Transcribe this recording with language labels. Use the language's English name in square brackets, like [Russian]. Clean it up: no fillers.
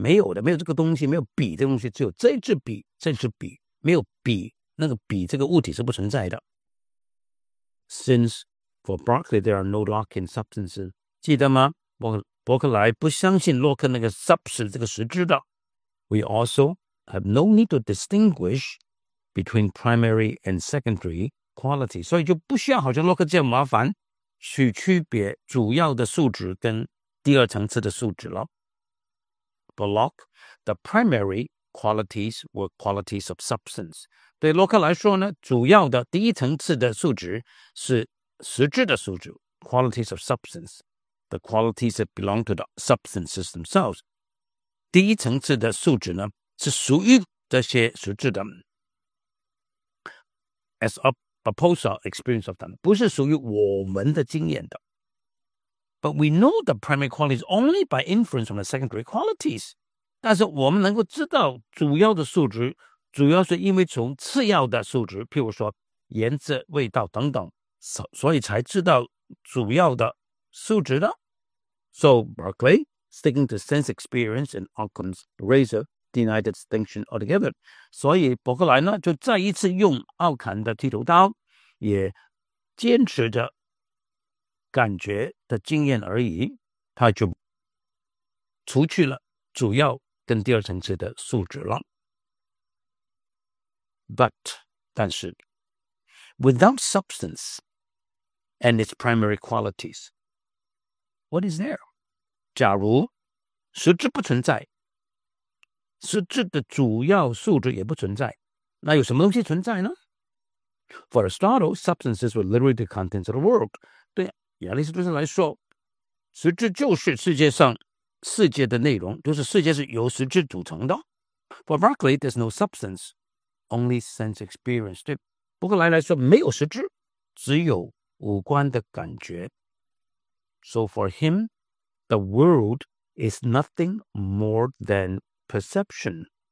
[Chinese] 没有的，没有这个东西，没有笔这个东西，只有这支笔，这支笔没有笔，那个笔这个物体是不存在的。 [English] Since for Berkeley there are no Lockean substances， [Chinese] 记得吗？伯克莱不相信洛克那个 substance 这个实质的。 [English] We also have no need to distinguish between primary and secondary qualities. [Chinese] 所以就不需要好像洛克这样麻烦去区别主要的素质跟第二层次的素质了。 [English] For Locke, the primary qualities were qualities of substance. [Chinese] 对洛克来说呢，主要的第一层次的素质是实质的素质 [English] qualities of substance, the qualities that belong to the substances themselves. [Chinese] 第一层次的素质呢，是属于这些实质的 [English] ，as a proposal experience of them， [Chinese] 不是属于我们的经验的。 [English] But we know the primary qualities only by inference from the secondary qualities。 [Chinese] 但是我们能够知道主要的素质，主要是因为从次要的素质，譬如说颜色、味道等等，所以才知道主要的素质的。 [English] So Berkeley。 Sticking to sense experience and Occam's razor denied the distinction altogether. [Chinese] 所以伯克莱呢就再一次用奥坎的剃头刀，也坚持着感觉的经验而已，他就除去了主要跟第二层次的素质了。 [English] But, [Chinese] 但是 [English] without substance and its primary qualities, what is there? [Chinese] 假如实质不存在，实质的主要素质也不存在，那有什么东西存在呢？ [English] For Aristotle, substances were literally the contents of the world. [Chinese] 对亚里士多德来说，实质就是世界上世界的内容，就是世界是由实质组成的。 [English] For Berkeley, there's no substance, only sense experience. [Chinese] 对伯克莱来说，没有实质，只有五官的感觉。 [English] So for him,The world is nothing more than perception.